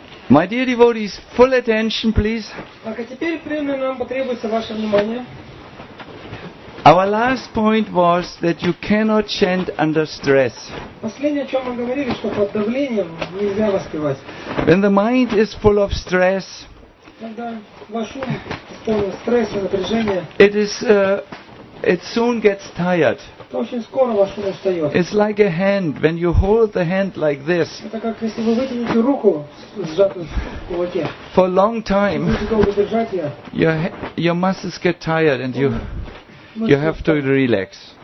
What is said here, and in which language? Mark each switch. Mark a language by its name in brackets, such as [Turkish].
[English] My dear devotees, full attention, please. [Russian] Так, а теперь прямо нам потребуется ваше внимание. [English] Our last point was that you cannot chant under stress. [Russian] Последнее, о чем мы говорили, что под давлением нельзя воспевать. [English] When the mind is full of stress, [Russian] когда ваш ум полон стресса, напряжения, [English] it soon gets tired. [Russian] То очень скоро ваш ум устает. [English] It's like a hand. When you hold the hand like this, [Russian] это как если вы вытянете руку, сжатую в кулаке. [English] For a long time, [Russian] будете долго держать ее. [English] Your muscles get tired, and you. You have to relax.